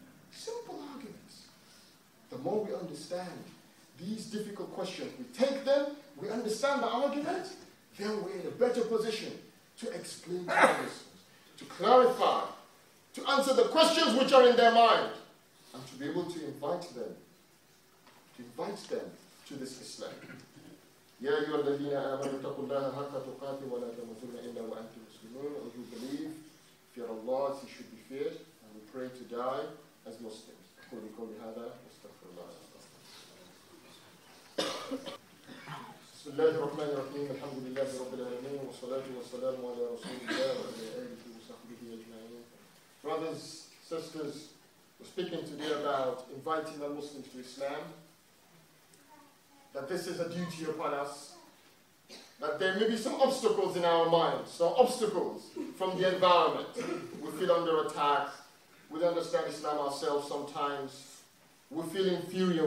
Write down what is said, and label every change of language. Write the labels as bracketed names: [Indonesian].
[English] Simple arguments. The more we understand these difficult questions, we take them, we understand the argument, then we're in a better position to explain to others, to clarify, to answer the questions which are in their mind, and to be able to invite them to this Islam. [Arabic] يا أيها الذين آمنوا اتقوا الله حق تقاته ولا تموتن إلا وأنتم مسلمون. [English] Or you believe, fear Allah as you should be feared, and we pray to die as Muslims. [Arabic] قولي قولي هذا واستغفر الله. بسم الله الرحمن الرحيم الحمد لله رب العالمين والصلاة والسلام على رسول الله وعلى آله وصحبه أجمعين. [English] Brothers, sisters, we're speaking today about inviting the Muslims to Islam. That this is a duty upon us. That there may be some obstacles in our minds, some obstacles from the environment. We feel under attack. We don't understand Islam ourselves sometimes. We feel inferior.